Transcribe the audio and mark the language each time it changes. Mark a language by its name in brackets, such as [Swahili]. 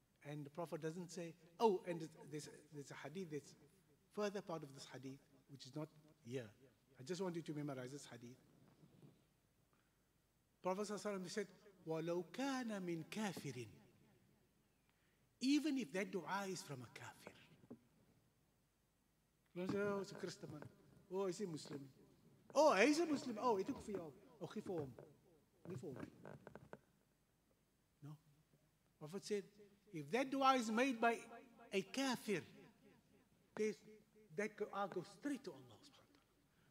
[English] And the Prophet doesn't say, oh, and there's a hadith that's further part of this hadith, which is not here. I just want you to memorize this hadith. Prophet said, [Arabic] وَلَوْ كَانَ مِنْ كَافِرٍ. [English] Even if that dua is from a kafir. Oh, it's a Christian. Oh, he's a Muslim. Oh, he's a Muslim. Oh, he took for you. Oh, he for him. He for him. No. Prophet said, if that dua is made by a kafir, that dua goes straight to Allah subhanahu wa ta'ala.